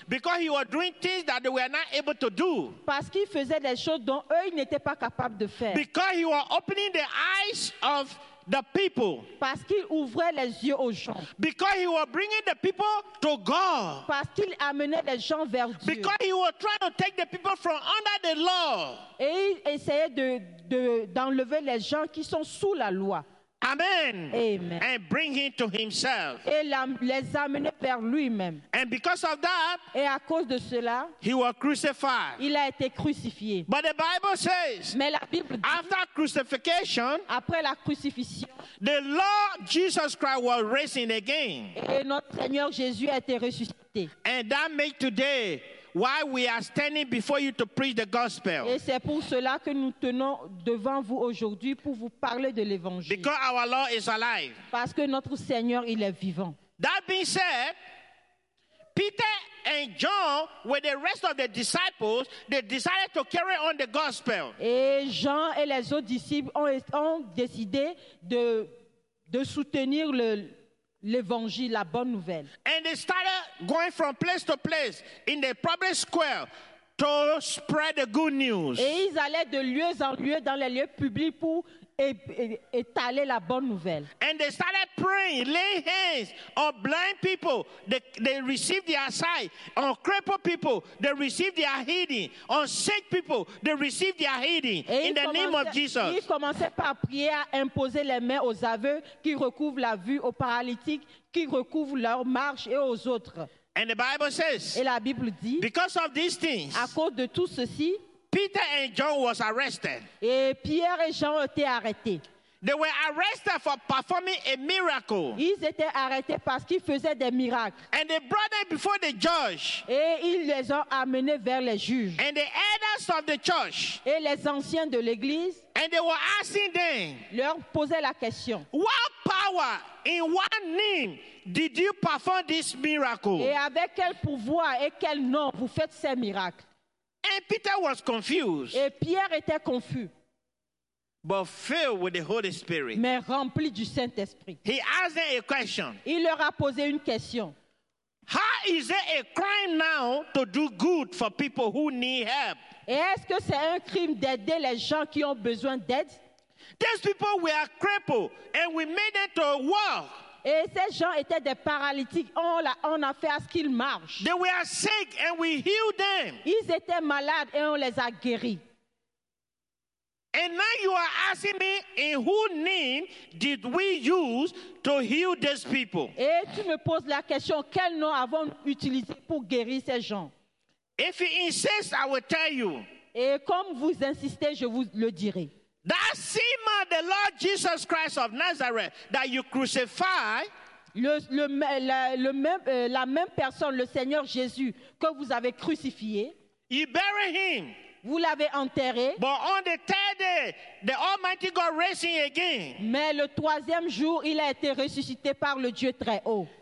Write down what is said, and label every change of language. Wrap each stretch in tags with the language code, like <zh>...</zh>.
<en>Because he was doing things that they were not able to do.</en> <fr>Parce qu'il faisait des choses dont eux ils n'étaient pas capables de faire.</fr> <en>Because he was opening the eyes of the people.</en> <fr>Parce qu'il ouvrait les yeux aux gens.</fr> <en>Because he was bringing the people to God.</en> <fr>Parce qu'il amenait les gens vers Dieu.</fr> <en>Because he was trying to take the people from under the law.</en> <fr>Et il essayait d'enlever les gens qui sont sous la loi.</fr> <en>Amen. Amen. And bring him to himself.</en> <fr>Et les amener vers lui-même.</fr> <en>And because of that,</en> <fr>et à cause de cela,</fr> <en>he was crucified.</en> <fr>Il a été crucifié.</fr> <en>But the Bible says,</en> <fr>mais la Bible dit,</fr> <en>after crucifixion,</en> <fr>après la crucifixion,</fr> <en>the Lord Jesus Christ was raised again.</en> <fr>Et notre Seigneur Jésus a été ressuscité.</fr> <en>And that makes today why we are standing before you to preach the gospel.</en> <fr>Et c'est pour cela que nous tenons devant vous aujourd'hui pour vous parler de l'évangile.</fr> <en>Because our Lord is alive.</en> <fr>Parce que notre Seigneur, il est vivant.</fr> <en>That being said, Peter and John with the rest of the disciples, they decided to carry on the gospel.</en> <fr>Et Jean et les autres disciples ont décidé de soutenir l'évangile, la bonne nouvelle.</fr> <en>And they started going from place to place in the public square to spread the good news.</en> <fr>Et ils allaient de lieu en lieu dans les lieux publics pour étaler la bonne nouvelle.</fr> <en>And they started praying, laying hands on blind people, they received their sight. On crippled people, they received their healing. On sick people, they received their healing in the name of Jesus.</en> <fr>Ils commençaient par prier à imposer les mains aux aveugles qui recouvrent la vue, aux paralytiques qui recouvrent leur marche et aux autres.</fr> <en>And the Bible says,</en> <fr>et la Bible dit,</fr> <en>because of these things,</en> <fr>à cause de tout ceci,</fr> <en>Peter and John was arrested.</en> <fr>Et Pierre et Jean étaient arrêtés.</fr> <en>They were arrested for performing a miracle.</en> <fr>Ils étaient arrêtés parce qu'ils faisaient des miracles.</fr> <en>And they brought them before the judge.</en> <fr>Et ils les ont amenés vers les juges.</fr> <en>And the elders of the church.</en> <fr>Et les anciens de l'église.</fr> <en>And they were asking them.</en> <fr>Leur posaient la question.</fr> <en>What power in what name did you perform this miracle?</en> <fr>Et avec quel pouvoir et quel nom vous faites ces miracles?</fr> <en>And Peter was confused.</en> <fr>Et Pierre était confus.</fr> <en>But filled with the Holy Spirit.</en> <fr>Mais rempli du Saint-Esprit.</fr> <en>He asked them a question.</en> <fr>Il leur a posé une question.</fr> <en>How is it a crime now to do good for people who need help?</en> <fr>Et est-ce que c'est un crime d'aider les gens qui ont besoin d'aide?</fr> <en>These people were crippled, and we made them to walk.</en> <fr>Et ces gens étaient des paralytiques. On a fait à ce qu'ils marchent.</fr> <en>They were sick and we healed them.</en> <fr>Ils étaient malades et on les a guéris.</fr> <en>And now you are asking me, in whose name did we use to heal these people?</en> <fr>Et tu me poses la question, quel nom avons-nous utilisé pour guérir ces gens?</fr> <en>If you insist, I will tell you.</en> <fr>Et comme vous insistez, je vous le dirai.</fr> <en>That Simon, the Lord Jesus Christ of Nazareth, that you crucified.</en> <fr>La même personne, le Seigneur Jésus, que vous avez crucifié.</fr> <en>You bury him.</en> <fr>Vous l'avez enterré.</fr> <en>But on the third day, the Almighty God raised him again.</en> <fr>Mais le troisième jour, il a été ressuscité par le Dieu très haut.</fr>